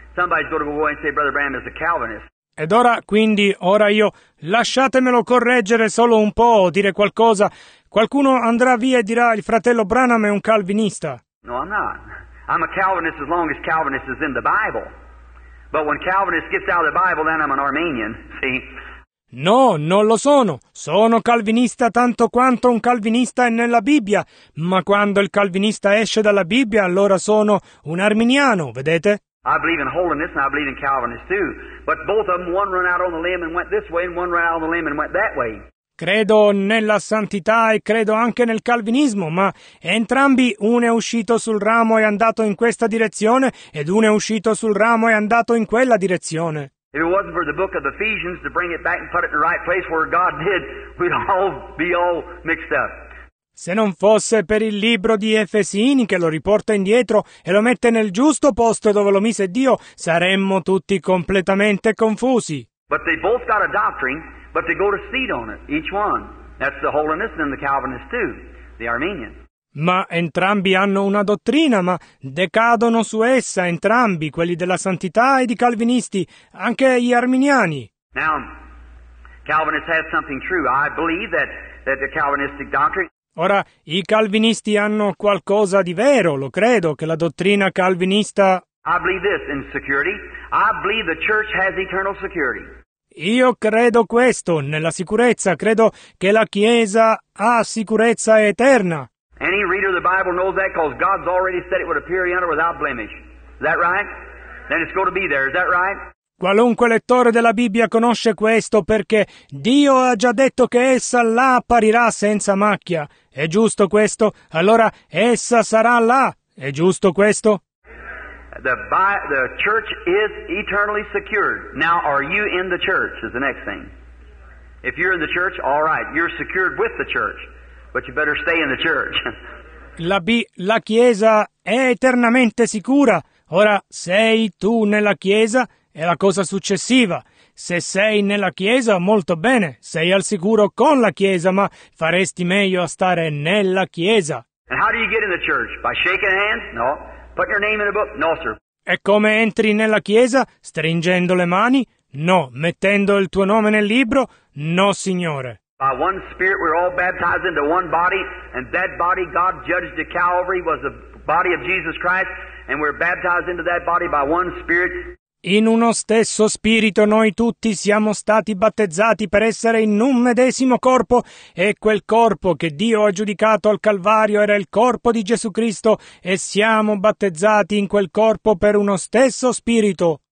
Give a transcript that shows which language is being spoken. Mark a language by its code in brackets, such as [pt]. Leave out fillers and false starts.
[en] Somebody's going to go and say Brother Branham is a Calvinist. [it] Ed ora, quindi, ora io, lasciatemelo correggere solo un po', dire qualcosa. Qualcuno andrà via e dirà, il fratello Branham è un calvinista. [en] No, I'm not. I'm a Calvinist as long as Calvinist is in the Bible. But when Calvinist gets out of the Bible, then I'm an Armenian, see? [it] No, non lo sono. Sono calvinista tanto quanto un calvinista è nella Bibbia. Ma quando il calvinista esce dalla Bibbia, allora sono un arminiano, vedete? [en] I believe in holiness and I believe in Calvinist too, but both of them, one ran out on the limb and went this way and one ran out on the limb and went that way. [it] Credo nella santità e credo anche nel calvinismo, ma entrambi, uno è uscito sul ramo e andato in questa direzione ed uno è uscito sul ramo e andato in quella direzione. [en] If it wasn't for the book of Ephesians to bring it back and put it in the right place where God did, we'd all be all mixed up. [it] Se non fosse per il libro di Efesini che lo riporta indietro e lo mette nel giusto posto dove lo mise Dio, saremmo tutti completamente confusi. [en] But they both got a doctrine, but they go to seed on it, each one. That's the holiness and the Calvinist too, the Armenian. [it] Ma entrambi hanno una dottrina, ma decadono su essa, entrambi, quelli della santità e i calvinisti, anche gli arminiani. [en] Now, Calvinists have something true. I believe that the Calvinistic doctrine... [it] Ora, i calvinisti hanno qualcosa di vero, lo credo, che la dottrina calvinista... [en] I believe this in security. I believe the church has eternal security. [it] Io credo questo, nella sicurezza. Credo che la Chiesa ha sicurezza eterna. [en] Any reader of the Bible knows that because God's already said it would appear yonder without blemish. Is that right? Then it's going to be there, is that right? [it] Qualunque lettore della Bibbia conosce questo perché Dio ha già detto che essa là apparirà senza macchia. È giusto questo? Allora essa sarà là. È giusto questo? [en] the church is eternally secured. Now, are you in the church? Is the next thing. If you're in the church, all right, you're secured with the church, but you better stay in the church. [it] La chiesa è eternamente sicura. Ora sei tu nella chiesa è la cosa successiva. Se sei nella chiesa, molto bene, sei al sicuro con la chiesa, ma faresti meglio a stare nella chiesa. [en] And how do you get in the church? By shaking hands? No. Put your name in a book? No, sir. [it] E come entri nella chiesa? Stringendo le mani? No. Mettendo il tuo nome nel libro? No, signore. [en] By one spirit we're all baptized into one body, and that body God judged at Calvary was the body of Jesus Christ, and we're baptized into that body by one spirit. [it] In uno stesso spirito noi tutti siamo stati battezzati per essere in un medesimo corpo, e quel corpo che Dio ha giudicato al Calvario era il corpo di Gesù Cristo, e siamo battezzati in quel corpo per uno stesso spirito.